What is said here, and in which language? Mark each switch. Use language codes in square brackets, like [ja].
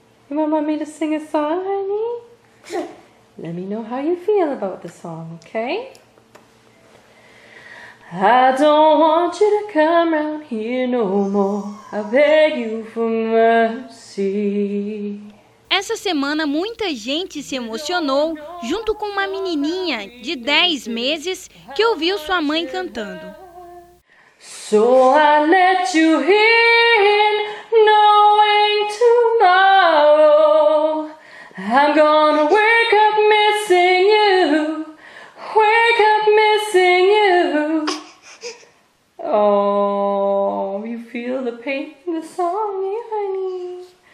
[en] You want mommy to sing a song, honey? Let me know how you feel about the song, okay? I don't want you to come around here no more. I beg you for mercy. [pt] Essa semana, muita gente se emocionou junto com uma menininha de 10 meses que ouviu sua mãe cantando. [en] So I let you in, knowing tomorrow I'm gonna wake up missing you, wake up missing you. Oh, you feel the pain in the song, honey.